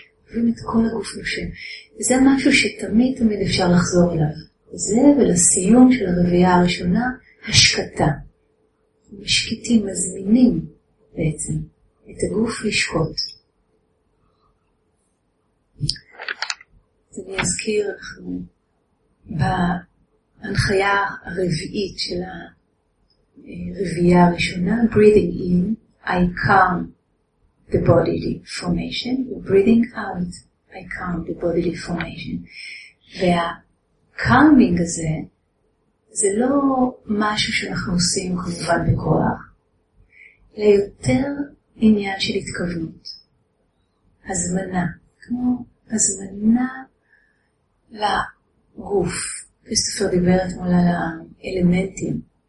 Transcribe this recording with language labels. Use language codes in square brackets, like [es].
[he] חווים את כל הגוף נושם. זה משהו שתמיד תמיד אפשר לחזור אליו. זה ולסיום של הרביעייה הראשונה, השקטה. משקטים, מזמינים בעצם את הגוף לשקוט. אני אזכיר אנחנו בהנחיה הרביעית של הרביעייה הראשונה, [en] breathing in, I calm the bodily formation, breathing out, I calm the bodily formation. [he] והקלמינג הזה, זה לא משהו שאנחנו עושים כמובן בכוח, אלא יותר עניין של התכוונות, הזמנה, כמו הזמנה לגוף. כריסטופר דיבר אתמול על האלמנטים